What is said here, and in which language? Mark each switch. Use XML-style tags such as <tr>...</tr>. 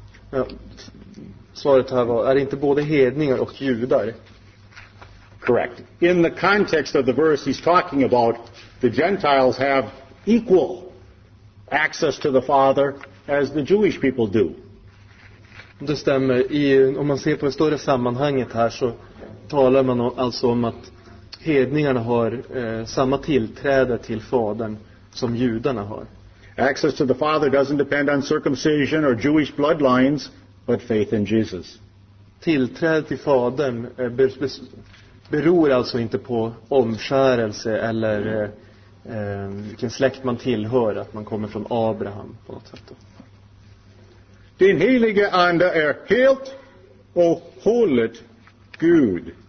<sv>Ja, svaret här var, är det inte både hedningar och judar?</sv> <en>Correct. In the context of the verse he's talking about, the Gentiles have equal access to the Father as the Jewish people do.</en> <sv>Det stämmer. Om man ser på det större sammanhanget här så talar man alltså om att hedningarna har samma tillträde till Fadern som judarna har.</sv> <en>Access to the Father doesn't depend on circumcision or Jewish bloodlines, but faith in Jesus.</en> <sv>Tillträde till Fadern beror alltså inte på omskärelse eller vilken släkt man tillhör, att man kommer från Abraham på något sätt. Din helige ande är helt och hållet Gud.</sv>